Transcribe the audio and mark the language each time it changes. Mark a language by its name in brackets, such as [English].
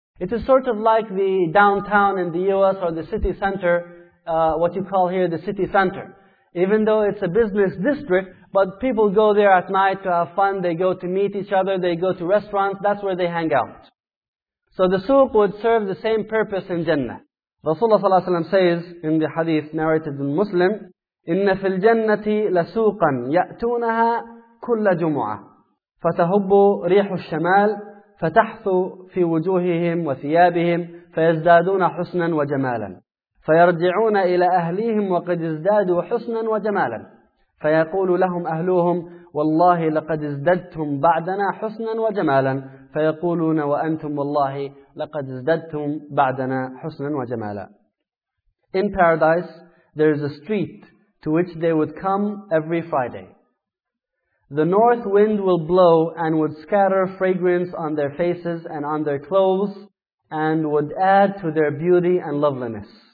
[English] It is sort of like the downtown in the US or the city center, what you call here the city center. Even though it's a business district, but people go there at night to have fun, they go to meet each other, they go to restaurants, that's where they hang out. So the souq would serve the same purpose in Jannah. Rasulullah ﷺ says in the hadith narrated in Muslim, [Arabic] إِنَّ فِي الْجَنَّةِ لَسُوقًا يَأْتُونَهَا كُلَّ جُمُعَةً فَتَهُبُّ رِيحُ الشَّمَالِ فَتَحْثُ فِي وُجُوهِهِمْ وَثِيَابِهِمْ فَيَزْدَادُونَ حُسْنًا وَجَمَالًا فَيَرْجِعُونَ إِلَىٰ أَهْلِهِمْ وَقَدْ ازْدَادُوا حُسْنًا وَجَمَالًا فَيَقُولُ لَهُمْ أَهْلُهُمْ وَاللَّهِ لَقَدْ ازْدَدْتُمْ بَعْدَنَا حُسْنًا وَجَمَالًا فَيَقُولُونَ وَأَنْتُمْ وَاللَّهِ لَقَدْ ازْدَدْتُمْ بَعْدَنَا حُسْنًا وَجَمَالًا. [English] In paradise, there is a street to which they would come every Friday. The north wind will blow and would scatter fragrance on their faces and on their clothes and would add to their beauty and loveliness.